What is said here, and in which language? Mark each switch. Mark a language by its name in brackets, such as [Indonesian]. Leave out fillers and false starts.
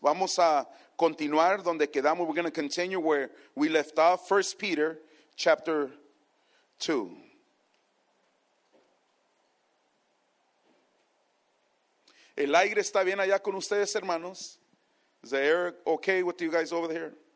[Spanish] Vamos a continuar donde quedamos. [English] We're going to continue where we left off. First Peter, chapter 2. [Spanish] El aire está bien allá con ustedes, hermanos. [English] Is the air okay with you guys over here?